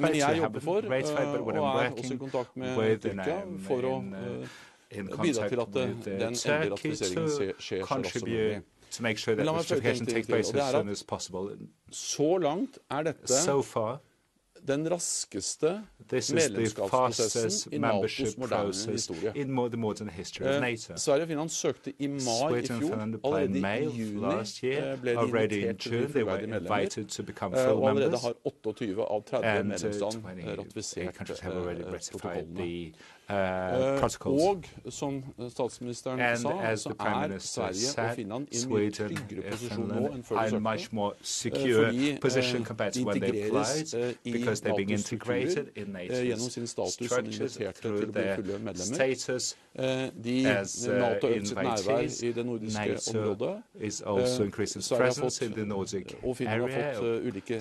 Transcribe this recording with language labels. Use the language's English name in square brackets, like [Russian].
[Norwegian] Men jeg jobber for og også i kontakt med Tyrkia for å bidra til at den endelige ratifiseringen skjer så raskt som mulig. [English] To make sure that ratification takes place as soon as possible. [Norwegian] Så langt dette den raskeste medlemskapsprosessen i NATOs moderne historie. Sverige og Finland søkte i mai i fjor, allerede i juni ble de invitert til å bli medlemmer, og allerede har 28 av 30 medlemsland ratifisert protokollene. Og som statsministeren sa, så Sverige og Finland i en mye tryggere posisjon nå enn før de søkte, fordi de integreres i NATO-strukturer [English] being integrated in NATO's structures through their status as invitees. NATO is also increasing presence in the Nordic area.